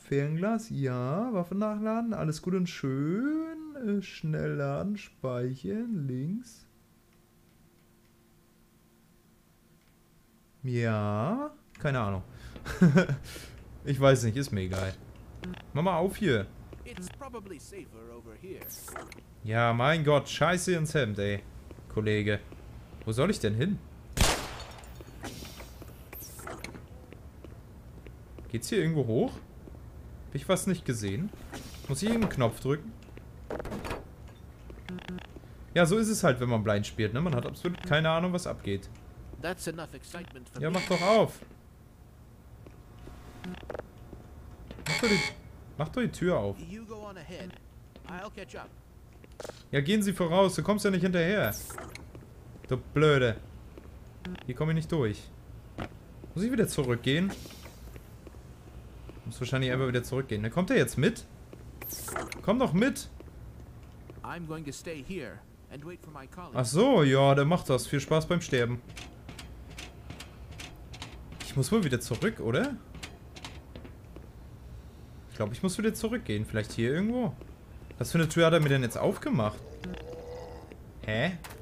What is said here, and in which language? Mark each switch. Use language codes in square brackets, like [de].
[de] Fernglas, ja. Waffen nachladen, alles gut und schön. Schnell laden, speichern, links. Ja, keine Ahnung. Ich weiß nicht, ist mir egal. Mach mal auf hier. [en] It's probably safer over here. [de] Ja, mein Gott, scheiße ins Hemd, ey. Kollege. Wo soll ich denn hin? Geht's hier irgendwo hoch? Hab ich was nicht gesehen? Muss ich einen Knopf drücken? Ja, so ist es halt, wenn man blind spielt, ne? Man hat absolut keine Ahnung, was abgeht. [en] That's enough excitement for me. [de] Ja, mach doch auf! Mach doch die Tür auf. [en] You go on ahead. I'll catch up. [de] Ja, gehen Sie voraus, du kommst ja nicht hinterher. Du Blöde. Hier komme ich nicht durch. Muss ich wieder zurückgehen? Muss wahrscheinlich einfach wieder zurückgehen. Na, kommt er jetzt mit? Komm doch mit! [en] I'm going to stay here and wait for my colleague. [de] Ach so, ja, der macht das. Viel Spaß beim Sterben. Ich muss wohl wieder zurück, oder? Ich glaube, ich muss wieder zurückgehen. Vielleicht hier irgendwo? Was für eine Tür hat er mir denn jetzt aufgemacht? Hä?